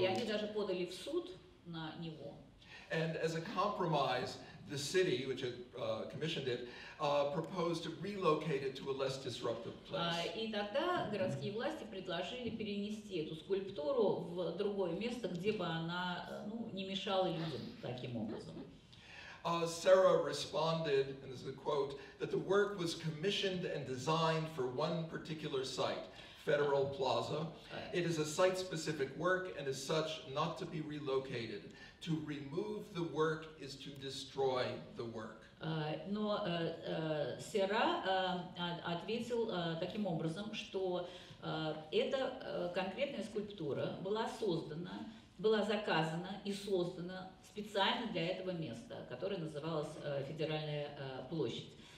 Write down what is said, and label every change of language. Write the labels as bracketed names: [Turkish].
[Russian] И они даже подали в суд на него. [English] And as a compromise, the city, which had commissioned it, proposed to relocate it to a less disruptive place. [Russian] И тогда городские власти предложили перенести эту скульптуру в другое место, где бы она не мешала людям таким образом. [English] Sarah responded, and this is a quote, that the work was commissioned and designed for one particular site, Federal Plaza. It is a site-specific work and is such not to be relocated. To remove the work is to destroy the work. [Russian] Но Сера ответил таким образом, что эта конкретная скульптура была заказана и создана специально для этого места, которое называлось Федеральная площадь.